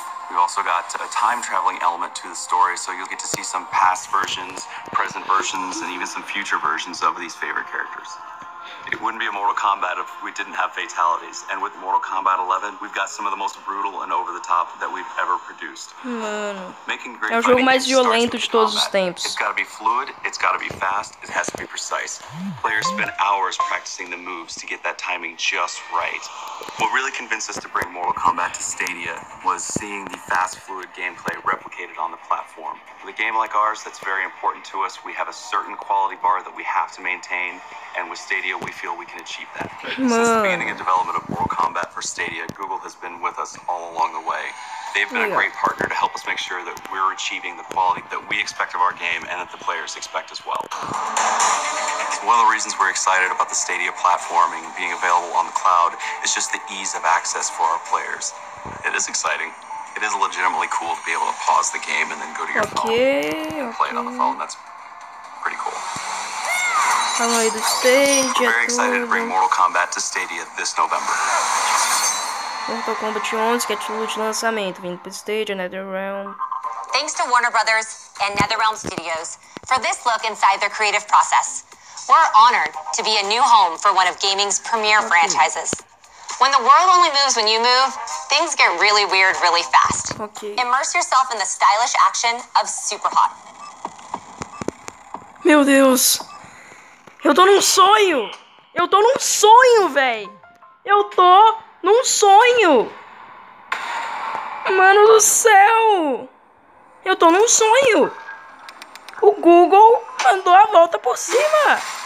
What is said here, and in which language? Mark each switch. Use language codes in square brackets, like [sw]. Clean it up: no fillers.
[en] We've also got a time-traveling element to the story, so you'll get to see some past versions, present versions, and even some future versions of these favorite characters. It wouldn't be a Mortal Kombat if we didn't have fatalities, and with Mortal Kombat 11, we've got some of the most brutal and over-the-top that we've ever produced. Making great fighting, [pt] jogo mais violento de todos os tempos. [en] It's gotta be fluid, it's gotta be fast, it has to be precise. Players spend hours practicing the moves to get that timing just right. What really convinced us to bring Mortal Kombat to Stadia was seeing the fast, fluid gameplay replicated on the platform. With a game like ours, that's very important to us. We have a certain quality bar that we have to maintain, and with Stadia, we feel we can achieve that. Since the beginning of development of Mortal Kombat for Stadia, Google has been with us all along the way. They've been a great partner to help us make sure that we're achieving the quality that we expect of our game and that the players expect as well. One of the reasons we're excited about the Stadia platform and being available on the cloud is just the ease of access for our players. It is exciting. It is legitimately cool to be able to pause the game and then go to your phone and play it on the phone. That's pretty cool. We're excited to bring Mortal Kombat to Stadia this November. [pt] Mortal Kombat 11, que é título de lançamento, vindo para o Stadia, NetherRealm. [en] Thanks to Warner Brothers and NetherRealm Studios for this look inside their creative process. We're honored to be a new home for one of gaming's premier franchises. When the world only moves when you move, things get really weird really fast. Okay. Immerse yourself in the stylish action of Superhot. [pt] Meu Deus! Eu tô num sonho! Eu tô num sonho, véi! Eu tô Num sonho! Mano do céu! Eu tô num sonho! O Google mandou a volta por cima!